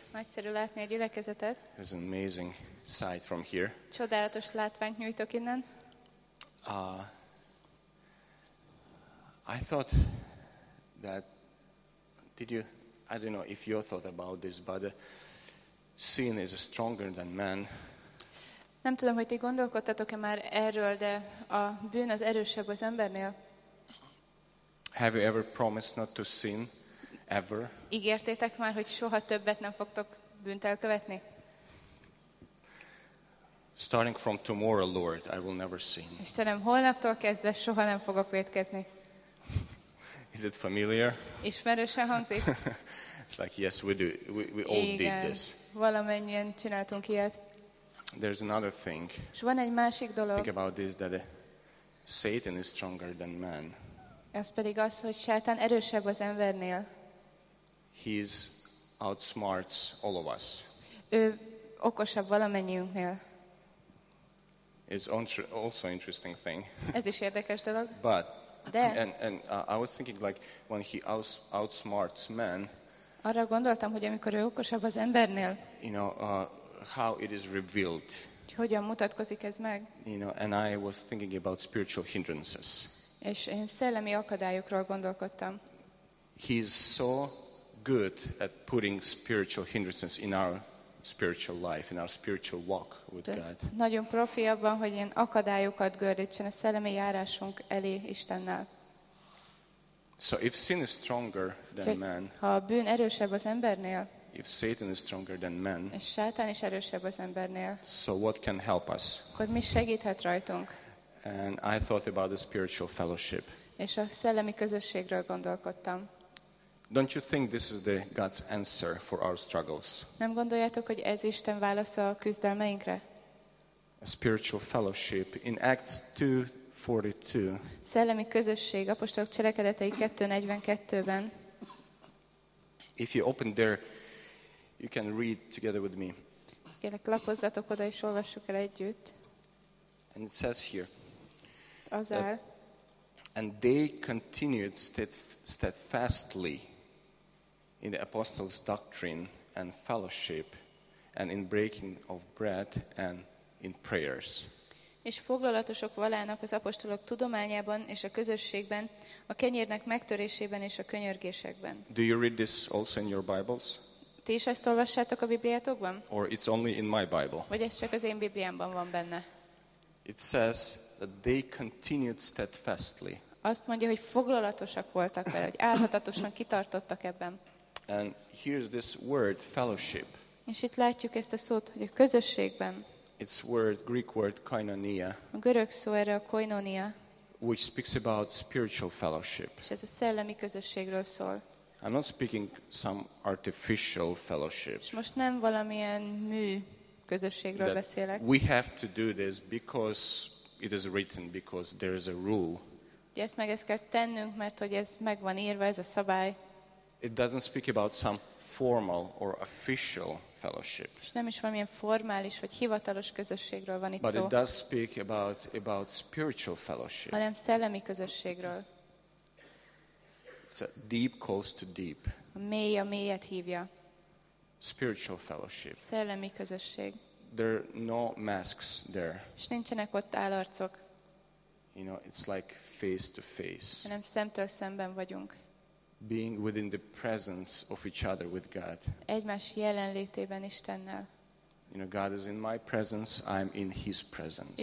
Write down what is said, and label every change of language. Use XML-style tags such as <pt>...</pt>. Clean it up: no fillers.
<hu>Nagyszerű látni a gyülekezetet.</hu> <en>It's an amazing sight from here.</en> <hu>Csodálatos látványt nyújtok innen.</hu> <en>I thought that I don't know if you thought about this, but sin is stronger than man.</en> <hu>Nem tudom, hogy ti gondolkodtatok-e már erről, de a bűn az erősebb az embernél.</hu> <en>Have you ever promised not to sin ever?</en> <hu>Ígértétek már, hogy soha többet nem fogtok bűnt elkövetni?</hu> <en>Starting from tomorrow, Lord, I will never sin.</en> <hu>Istenem, holnaptól kezdve soha nem fogok vétkezni.</hu> <en>Is it familiar?</en> <hu>Ismerősen hangzik.</hu> <en>It's like yes, we do. We all did this.</en> <hu>Valamennyien csináltunk ilyet.</hu> <en>There's another thing.</en> <hu>És van egy másik dolog.</hu> <en>Think about this, that Satan is stronger than man.</en> <hu>Ez pedig az, hogy Sátán erősebb az embernél.</hu> <en>He outsmarts all of us.</en> <hu>Ő okosabb valamennyiünknél.</hu> <en>It's also interesting thing.</en> <hu>Ez is érdekes dolog.</hu> <en>But</en> <hu>de.</hu> <en>And I was thinking like when he outsmarts man.</en> <hu>Arra gondoltam, hogy amikor ő okosabb az embernél.</hu> <en>You know how it is revealed.</en> <hu>Hogyan mutatkozik ez meg?</hu> <en>You know, and I was thinking about spiritual hindrances.</en> <hu>És én szellemi akadályokról gondolkodtam.</hu> <en>He is so good at putting spiritual hindrances in our spiritual life, in our spiritual walk with God.</en> <hu>Nagyon profi abban, hogy ilyen akadályokat gördítsen a szellemi járásunk elé Istennel.</hu> <en>So if sin is stronger than man,</en> <hu>ha a bűn erősebb az embernél,</hu> <en>if Satan is stronger than man,</en> <hu>és Sátán is erősebb az embernél,</hu> <en>so what can help us?</en> <hu>Akkor mi segíthet rajtunk?</hu> <en>And I thought about the spiritual fellowship.</en> <hu>És a szellemi közösségről gondolkodtam.</hu> <en>Don't you think this is the God's answer for our struggles?</en> <hu>Nem gondoljátok, hogy ez Isten válasza a küzdelmeinkre?</hu> <en>A spiritual fellowship in Acts 2:42.</en> <hu>Szellemi közösség apostolok cselekedetei 2:42-ben.</hu> <en>If you open there, you can read together with me.</en> <hu>Kérlek, lapozzatok oda és olvassuk el együtt.</hu> <en>And it says here.</en> <hu>Azár.</hu> <en>And they continued steadfastly in the apostles' doctrine and fellowship and in breaking of bread and in prayers.</en> <hu>És foglalatosok valának az apostolok tudományában és a közösségben, a kenyérnek megtörésében és a könyörgésekben.</hu> <en>Do you read this also in your Bibles?</en> <hu>Ti is ezt olvassátok a Bibliátokban?</hu> <en>Or it's only in my Bible?</en> <hu>Vagy ez csak az én Bibliámban van benne?</hu> <en>It says that they continued steadfastly.</en> <hu>Azt mondja, hogy foglalatosak voltak vele, hogy álhatatosan kitartottak ebben.</hu> <en>And here's this word, fellowship.</en> <hu>És itt látjuk ezt a szót, hogy a közösségben.</hu> <en>It's word, Greek word, koinonia.</en> <hu>A görög szó erre a koinonia.</hu> <en>Which speaks about spiritual fellowship.</en> <hu>És ez a szellemi közösségről szól.</hu> <en>I'm not speaking some artificial fellowship.</en> <hu>És most nem valamilyen mű közösségről beszélek.</hu> <en>We have to do this because it is written, because there is a rule.</en> <hu>Ezt meg ezt kell tennünk, mert hogy ez meg van írva, ez a szabály.</hu> <en>It doesn't speak about some formal or official fellowship.</en> <hu>És nem is valamilyen formális vagy hivatalos közösségről van itt</hu> <en>but</en> <hu>szó.</hu> <en>But it does speak about spiritual fellowship.</en> <hu>Hanem szellemi közösségről.</hu> <en>It's a deep calls to deep.</en> <hu>A mély a mélyet hívja.</hu> <en>Spiritual fellowship.</en> <hu>Szellemi közösség.</hu> <en>There are no masks there.</en> <hu>És nincsenek ott álarcok.</hu> <en>You know, it's like face to face.</en> <hu>Hanem szemtől szemben vagyunk.</hu> <en>Being within the presence of each other with God.</en> <hu>Egymás jelenlétében Istennel.</hu> <en>You know, God is in my presence, I'm in His presence.</en>